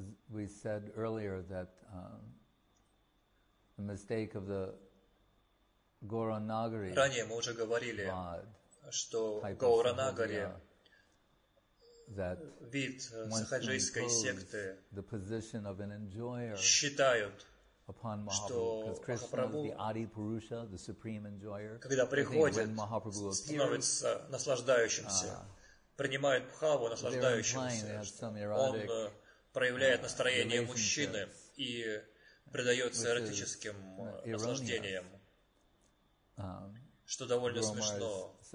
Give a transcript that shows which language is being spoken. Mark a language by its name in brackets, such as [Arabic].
[English] we said earlier that the mistake of the Gauranagari. [Russian] Ранее мы уже говорили, что Гауранагари, вид сахаджийской секты, [English] the position of an enjoyer, [Russian] считают, [English] upon Mahaprabhu, because Krishna is the Adi Purusha, the supreme enjoyer. [Russian] Когда приходит, становится наслаждающимся, принимает Бхаву наслаждающимся, он проявляет настроение мужчины и предается эротическим наслаждениям, что довольно смешно.